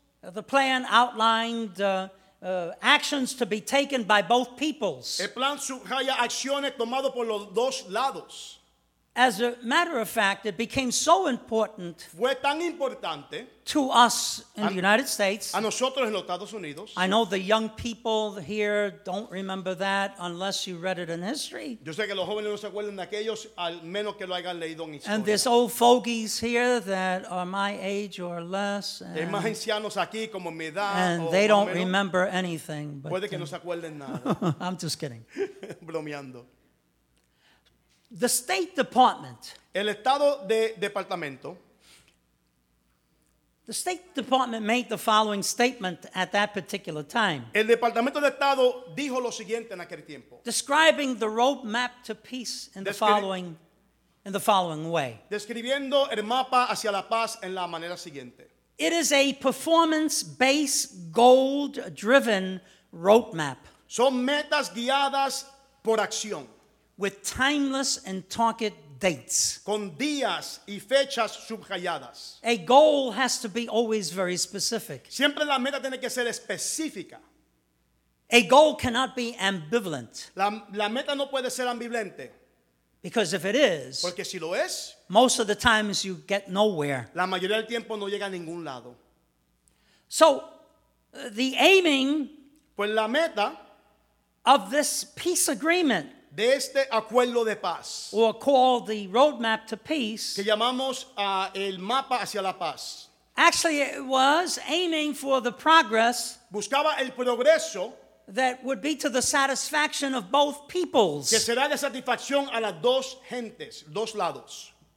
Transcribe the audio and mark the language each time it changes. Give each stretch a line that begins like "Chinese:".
English: The plan outlined actions to be taken by both peoples.
Spanish: El plan subraya acciones tomadas por los dos lados.
English: As a matter of fact, it became so important.
Spanish: Fue tan importante.
English: To us in the United States.
Spanish: A nosotros en los Estados Unidos.
English: I know the young people here don't remember that unless you read it in history.
Spanish: Yo sé que los jóvenes no se acuerdan de aquellos al menos que lo hayan leído en historia.
English: And this old fogies here that are my age or less.
Spanish: Hay más ancianos aquí como mi edad.
English: And they don't remember anything. But
Spanish: puede que no se acuerden nada.
English: I'm just kidding.
Spanish: Bromeando.
English: The State Department.
Spanish: El Estado de Departamento.
English: The State Department made the following statement at that particular time.
Spanish: El Departamento de Estado dijo lo siguiente en aquel tiempo.
English: Describing the roadmap to peace in the following way.
Spanish: Describiendo el mapa hacia la paz en la manera siguiente.
English: It is a performance-based, goal-driven roadmap.
Spanish: Son metas guiadas por acción.
English: With timeless and target dates.
Spanish: Con días y fechas subrayadas.
English: A goal has to be always very specific.
Spanish: Siempre la meta tiene que ser específica.
English: A goal cannot be ambivalent.
Spanish: La meta no puede ser ambivalente.
English: Because if it is,
Spanish: porque si lo es,
English: most of the times you get nowhere.
Spanish: La mayoría del tiempo no llega a ningún lado.
English: So, the aiming,
Spanish: pues la meta,
English: of this peace agreement.
Spanish: De este acuerdo de paz,
English: or called the roadmap to peace,
Spanish: que llamamos el mapa hacia la paz.
English: Actually, it was aiming for the progress.
Spanish: Buscaba el progreso
English: that would be to the satisfaction of both peoples.
Spanish: Que será de satisfacción a las dos gentes, dos lados.